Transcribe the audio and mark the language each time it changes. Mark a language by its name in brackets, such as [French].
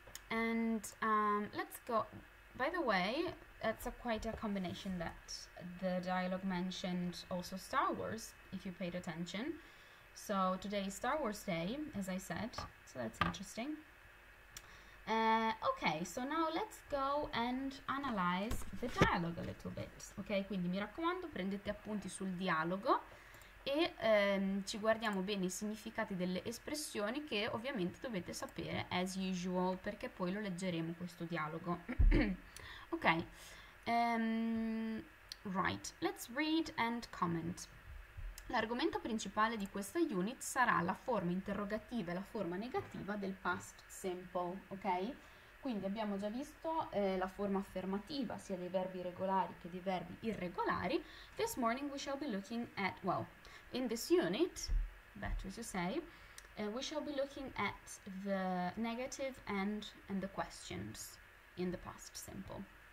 [English] And let's go, by the way, that's quite a combination that the dialogue mentioned also Star Wars, if you paid attention. So today is Star Wars Day, as I said, so that's interesting. Okay, so now let's go and analyze the dialogue a little bit. [Italian] Ok, quindi mi raccomando, prendete appunti sul dialogo. E ci guardiamo bene i significati delle espressioni che ovviamente dovete sapere, [English] as usual, [Italian] perché poi lo leggeremo questo dialogo. [English] Ok, right, let's read and comment. [Italian] L'argomento principale di questa unit sarà la forma interrogativa e la forma negativa del past simple, ok? Quindi abbiamo già visto la forma affermativa sia dei verbi regolari che dei verbi irregolari. [English] This morning we shall be looking at, well, in this unit, better to say, we shall be looking at the negative and the questions in the past simple.